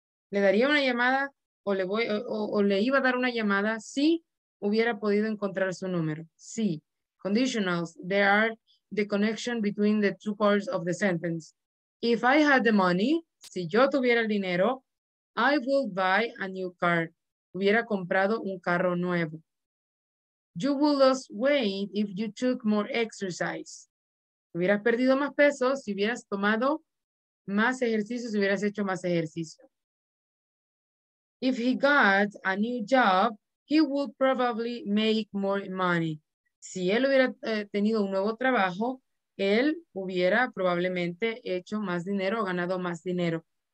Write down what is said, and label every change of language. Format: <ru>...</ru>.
<es>Le daría una llamada, o le voy, o le iba a dar una llamada, si hubiera podido encontrar su número. Si.</es> <en>Conditionals, they are the connection between the two parts of the sentence. If I had the money,</en> <es>si yo tuviera el dinero,</es> <en>I will buy a new car.</en> <es>Hubiera comprado un carro nuevo.</es> <en>You will lose weight if you took more exercise.</en> <es>Hubieras perdido más peso si hubieras tomado más ejercicio, si hubieras hecho más ejercicio.</es> <en>If he got a new job, he would probably make more money.</en> <es>Si él hubiera tenido un nuevo trabajo, él hubiera probablemente hecho más dinero o ganado más dinero.</es>